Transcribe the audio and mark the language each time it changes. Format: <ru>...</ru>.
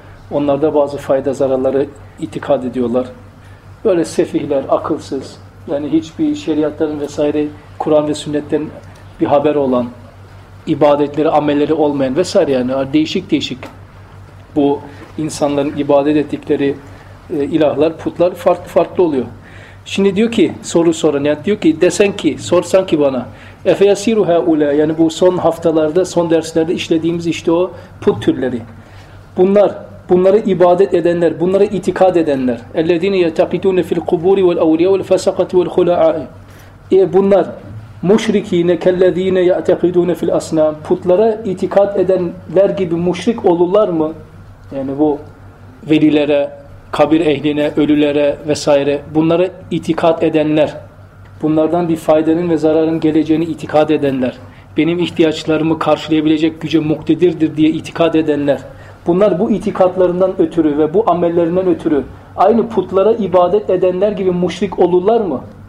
<tr>Onlarda bazı fayda zararları itikad ediyorlar. Böyle sefihler, akılsız, yani hiçbir şeriatların vesaire, Kur'an ve sünnetten bir haber olan, ibadetleri, amelleri olmayan vesaire, yani değişik değişik bu insanların ibadet ettikleri ilahlar, putlar farklı farklı oluyor. Şimdi diyor ki, soru soran, yani diyor ki, desen ki, sorsan ki bana,</tr> <ar>اَفَيَسِيرُ هَا اُولَى,</ar> <tr>yani bu son haftalarda, son derslerde işlediğimiz işte o put türleri. Bunları ibadet edenler, bunları itikad edenler.</tr> <ar>اَلَّذ۪ينَ يَتَقِدُونَ فِي الْقُبُورِ وَالْاَوْلِيَا وَالْفَسَقَةِ وَالْخُلَعَاءِ</ar> <tr>Bunlar,</tr> <ar>مُشْرِك۪ينَ كَالَّذ۪ينَ يَتَقِدُونَ فِي الْاَصْنَامِ</ar> <tr>Putlara itikad edenler gibi müşrik olurlar mı? Yani bu velilere, kabir ehline, ölülere vesaire, bunlara itikad edenler, bunlardan bir faydanın ve zararın geleceğini itikad edenler, benim ihtiyaçlarımı karşılayabilecek güce muktedirdir diye itikad edenler, bunlar bu itikatlarından ötürü ve bu amellerinden ötürü aynı putlara ibadet edenler gibi müşrik olurlar mı?</tr>